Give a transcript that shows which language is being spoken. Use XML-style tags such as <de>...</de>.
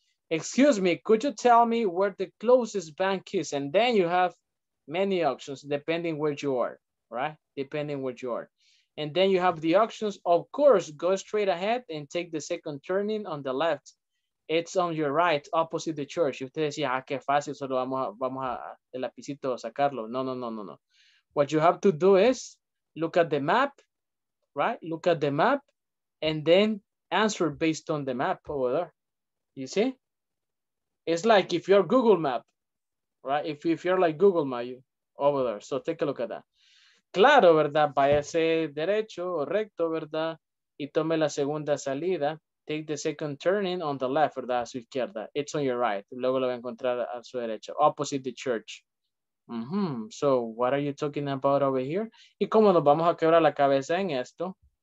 <en>Excuse me, could you tell me where the closest bank is? And then you have many options depending where you are, right? Depending where you are. And then you have the options. Of course, go straight ahead and take the second turning on the left. It's on your right, opposite the church.</en> <es>Y usted decía, ah, qué fácil, solo vamos a el lapicito sacarlo. No.</es> <en>What you have to do is look at the map, right? Look at the map and then answer based on the map over there. You see? It's like if you're Google Map, right? If you're like Google Map you, over there. So take a look at that.</en> <es>Claro, ¿verdad? Váyase derecho o recto, ¿verdad? Y tome la segunda salida.</es> <en>Take the second turning on the left,</en> <es>¿verdad? A su izquierda.</es> <en>It's on your right.</en> <es>Luego lo va a encontrar a su derecha.</es> <en>Opposite the church. Mm-hmm. So what are you talking about over here?</en> <es>¿Y cómo nos vamos a quebrar la cabeza en esto?</es>